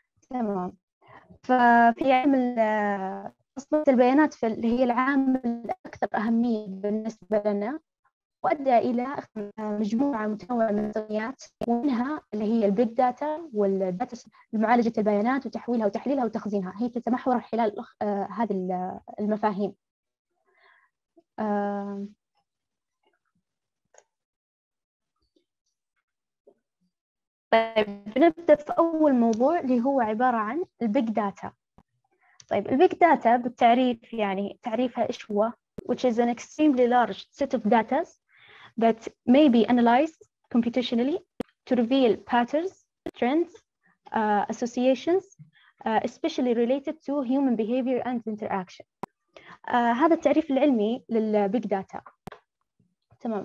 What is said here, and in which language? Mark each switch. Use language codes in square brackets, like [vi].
[ar] تمام، ففي علم تصنيف البيانات اللي هي العامل الأكثر أهمية بالنسبة لنا، وأدى إلى مجموعة متنوعة من التقنيات، ومنها اللي هي البيج داتا والداتا لمعالجة البيانات وتحويلها وتحليلها وتخزينها، هي تتمحور خلال هذه المفاهيم. طيب بنبدأ في أول موضوع اللي هو عبارة عن البيج داتا. طيب البيج داتا بالتعريف يعني تعريفها إيش هو؟ [en] which is an extremely large set of data that may be analyzed computationally to reveal patterns, trends, associations, especially related to human behavior and interaction. [ar] هذا التعريف العلمي للبيج داتا. تمام.